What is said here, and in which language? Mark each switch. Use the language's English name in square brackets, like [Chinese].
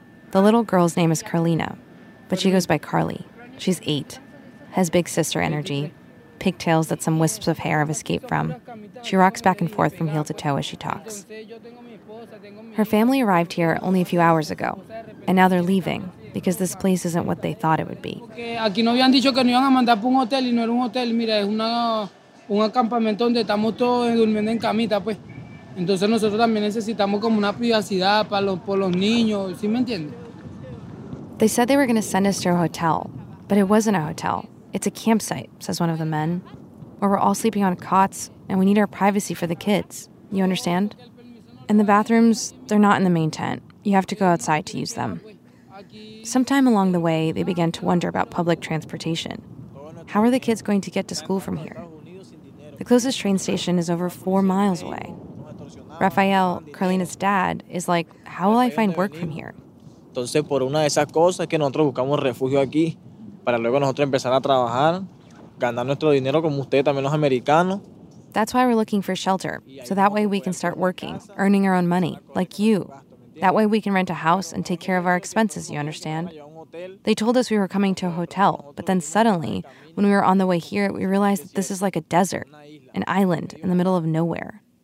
[English] The little girl's name is Carlina, but she goes by Carly. She's 8. Has big sister energy. Pigtails that some wisps of hair have escaped from. She rocks back and forth from heel to toe as she talks. Her family arrived here only a few hours ago, and now they're leaving because this place isn't what they thought it would be. [Spanish] Aquí no habían dicho que nos iban a mandar para un hotel y no era un hotel. Mira, es un acampamento donde estamos todos durmiendo en camita, pues. Entonces nosotros también necesitamos como una privacidad para los niños, ¿sí me entiendes? [English] They said they were going to send us to a hotel, but it wasn't a hotel. It's a campsite, says one of the men, where we're all sleeping on cots and we need our privacy for the kids. You understand? And the bathrooms, they're not in the main tent. You have to go outside to use them. Sometime along the way, they began to wonder about public transportation. How are the kids going to get to school from here? The closest train station is over 4 miles away. Rafael, Carlina's dad, is like, how will I find work from here? [Spanish] Entonces, por una de esas cosas que nosotros buscamos refugio aquí, para luego nosotros empezar a trabajar, ganar nuestro dinero como usted también los americanos. [English] That's why we're looking for shelter, so that way we can start working, earning our own money, like you. That way we can rent a house and take care of our expenses, you understand? They told us we were coming to a hotel, but then suddenly, when we were on the way here, we realized that this is like a desert, an island in the middle of nowhere.